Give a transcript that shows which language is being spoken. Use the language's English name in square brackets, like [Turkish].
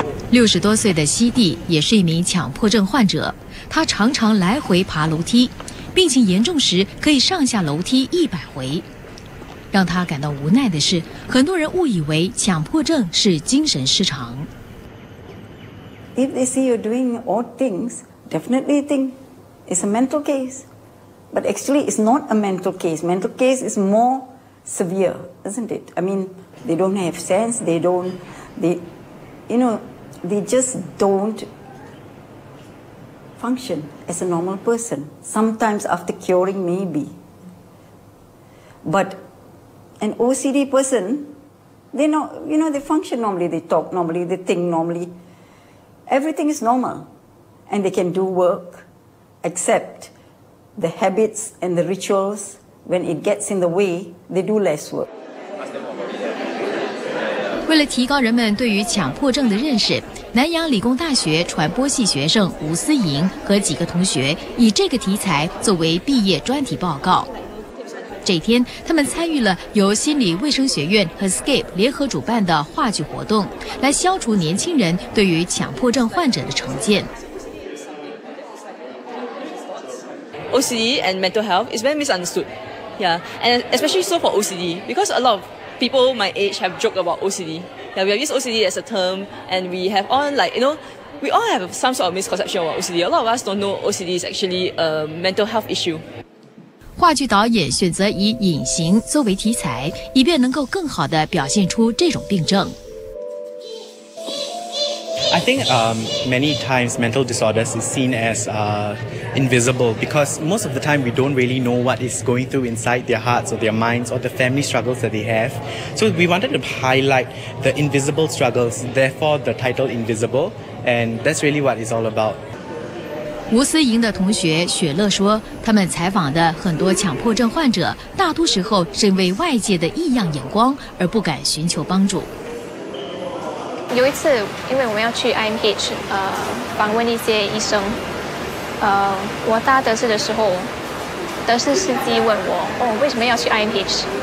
[Chinese] 60多岁的西蒂也是一名强迫症患者，他常常来回爬楼梯，病情严重时可以上下楼梯100回。让他感到无奈的是，很多人误以为强迫症是精神失常。 [English] If they see you doing odd things, definitely think it's a mental case. But actually, it's not a mental case. Mental case is more severe, isn't it? I mean, they don't have sense. They don't. They just don't function as a normal person. Sometimes after curing, maybe. But an OCD person, they know, you know, they function normally, they talk normally, they think normally. Everything is normal. And they can do work, except the habits and the rituals, when it gets in the way, they do less work. [Chinese] 为了提高人们对于强迫症的认识，南洋理工大学传播系学生吴思莹和几个同学以这个题材作为毕业专题报告。这天，他们参与了由心理卫生学院和 SCAPE 联合主办的话剧活动，来消除年轻人对于强迫症患者的成见。 [English] OCD and mental health is very misunderstood, yeah, and especially so for OCD, because a lot of people my age have joked about OCD. Yeah, we have used OCD as a term, and we have all like, you know, we all have some sort of misconception about OCD. A lot of us don't know OCD is actually a mental health issue. [Chinese] 话剧导演选择以隐形作为题材，以便能够更好地表现出这种病症。 [English] I think many times mental disorders is seen as invisible because most of the time we don't really know what is going through inside their hearts or their minds or the family struggles that they have. So we wanted to highlight the invisible struggles, therefore the title Invisible, and that's really what it's all about. [Chinese] 吴思莹的同学雪乐说，他们采访的很多强迫症患者，大多时候是因为外界的异样眼光而不敢寻求帮助。有一次，因为我们要去 IMH 访问一些医生，我搭德士的时候，德士司机问我，哦，为什么要去 IMH？